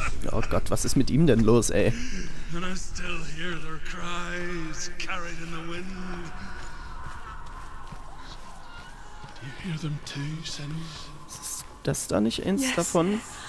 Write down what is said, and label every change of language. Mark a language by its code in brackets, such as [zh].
[de] Oh Gott, was ist mit ihm denn los, ey? [en] And I still hear their cries carried in the wind. Do you hear them too, Senny? [de] Ist das da nicht eins davon?